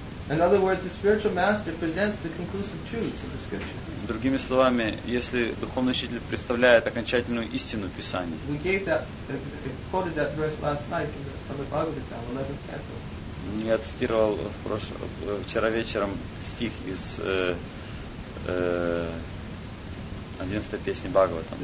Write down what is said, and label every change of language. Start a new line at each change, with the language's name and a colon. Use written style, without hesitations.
English: In other words, the spiritual master presents the conclusive truths of the scripture.
Russian: Другими словами, если духовный учитель представляет окончательную истину Писания.
English: We gave quoted that verse last night from the Bhagavatam, 11th chapter.
Russian: Я цитировал вчера вечером стих из 11-й песни Бхагаватам.